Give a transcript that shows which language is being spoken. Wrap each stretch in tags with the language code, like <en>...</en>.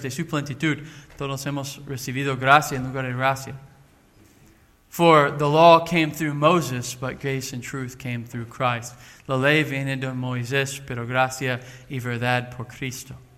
<es>De su plenitud, todos hemos recibido gracia en lugar de gracia.</es> <en>For the law came through Moses, but grace and truth came through Christ.</en> <es>La ley viene de Moisés, pero gracia y verdad por Cristo.</es>